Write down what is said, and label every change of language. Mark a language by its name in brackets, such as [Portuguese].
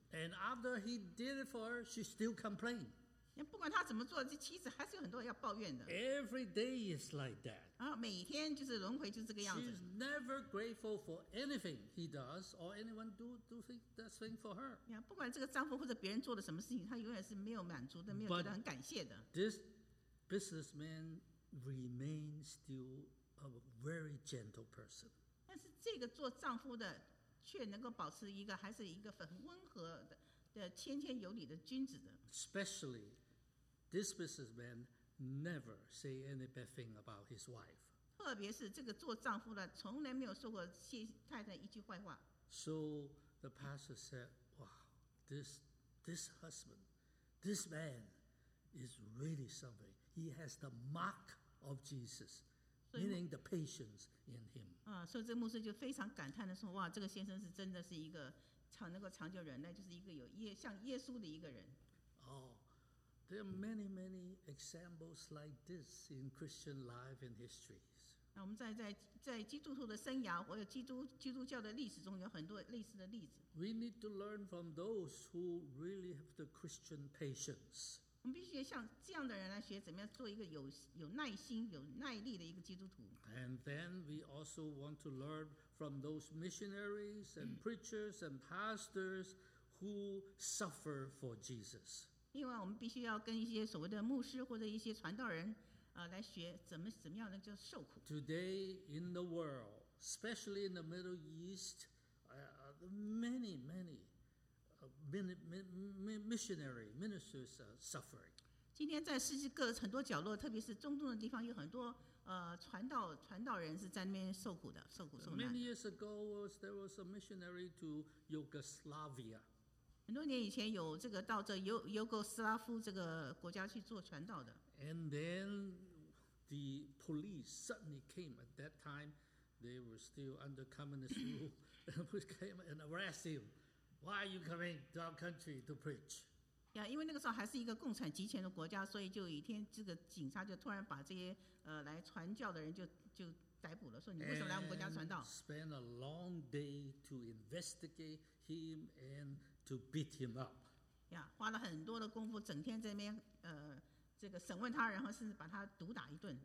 [English] And after he did it for her, she still complained. [Chinese] 不管他怎么做，这妻子还是有很多要抱怨的。 [English] Every day is like that. [Chinese] 每天就是轮回就是这个样子。 [English] She's never grateful for anything he does or anyone do that thing for her. [Chinese] 不管这个丈夫或者别人做的什么事情，他永远是没有满足的，没有觉得很感谢的。 [English] But this businessman remains still a very gentle person. [Chinese] 但是这个做丈夫的却能够保持一个还是一个很温和的谦谦有礼的君子的。 [English] Especially, this businessman never say any bad thing about his wife. [Chinese] 特别是这个做丈夫的从来没有说过谢太太一句坏话。 [English] So the pastor said, "Wow, this husband, this man is really something. He has the mark of Jesus." Meaning the patience in him. [Chinese] 所以这牧师就非常感叹的说，哇，这个先生是真的是一个长能够长久忍耐，就是一个有像耶稣的一个人。 [English] Oh, there are many, many examples like this in Christian life and history. [Chinese] 那我们在基督徒的生涯，或者基督教的历史中，有很多类似的例子。 [English] We need to learn from those who really have the Christian patience. [Chinese] 我们必须像这样的人来学怎么样做一个 有耐心有耐力的一个基督徒。 [English] And then we also want to learn from those missionaries and preachers and pastors who suffer for Jesus. [Chinese] 另外我们必须要跟一些所谓的牧师或者一些传道人来学怎么样能够受苦。 [English] Today in the world, especially in the Middle East, many, manyMissionary ministers are suffering. [Chinese] 今天在世界各很多角落，特别是中东的地方，有很多传道人是在那边受苦受难。 [English] Many years ago, there was a missionary to Yugoslavia. [Chinese] 很多年以前有这个到这尤哥斯拉夫这个国家去做传道的。 [English] And then the police suddenly came at that time. They were still under communist rule, and we came and arrested him. Why are you coming to our country to preach? [Chinese] Yeah, 因为那个时候还是一个共产集权的国家，所以就一天，这个警察就突然把这些来传教的人就逮捕了，说你为什么来我们国家传道 [English] ？And spend a long day to investigate him and to beat him up. [Chinese] Yeah, 花了很多的功夫，整天在那边这个审问他，然后甚至把他毒打一顿。